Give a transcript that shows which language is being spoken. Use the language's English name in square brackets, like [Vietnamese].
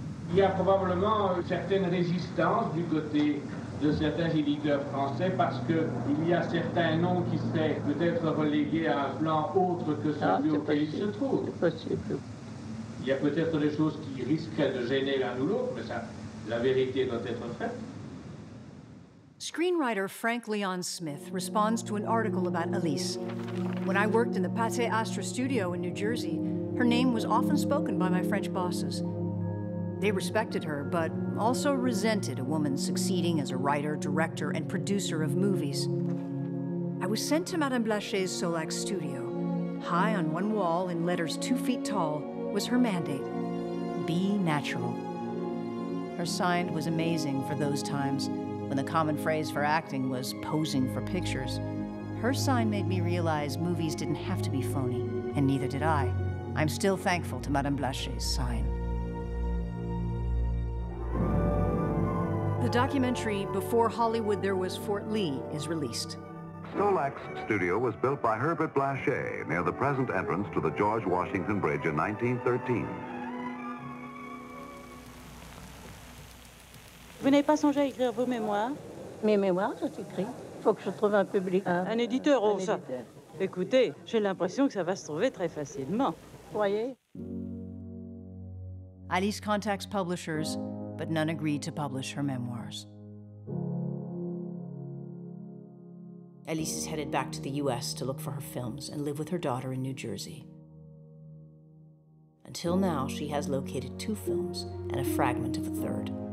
[French] Il y a probablement une certaine résistance du côté de certains éditeurs français parce qu'il y a certains noms qui seraient peut-être relégués à un plan autre que celui auquel ils se trouvent. C'est possible. Il y a peut-être des choses qui risqueraient de gêner l'un ou l'autre, mais ça, la vérité doit être faite. [English] Screenwriter Frank Leon Smith responds to an article about Alice. When I worked in the Pathé Astre studio in New Jersey, her name was often spoken by my French bosses. They respected her, but also resented a woman succeeding as a writer, director, and producer of movies. I was sent to Madame Blaché's Solac studio. High on one wall, in letters 2 feet tall, was her mandate: be natural. Her sign was amazing for those times, when the common phrase for acting was posing for pictures. Her sign made me realize movies didn't have to be phony, and neither did I. I'm still thankful to Madame Blaché's sign. The documentary, Before Hollywood There Was Fort Lee, is released. Solac's studio was built by Herbert Blaché near the present entrance to the George Washington Bridge in 1913. [French] Vous n'avez pas songé à écrire vos mémoires? Mes mémoires, j'ai écrit. Il faut que je trouve un public. Un éditeur, oh, ça. Écoutez, j'ai l'impression que ça va se trouver très facilement. Vous voyez? [English] Alice contacts publishers, but none agree to publish her memoirs. Alice is headed back to the U.S. to look for her films and live with her daughter in New Jersey. Until now, she has located 2 films and a fragment of a third.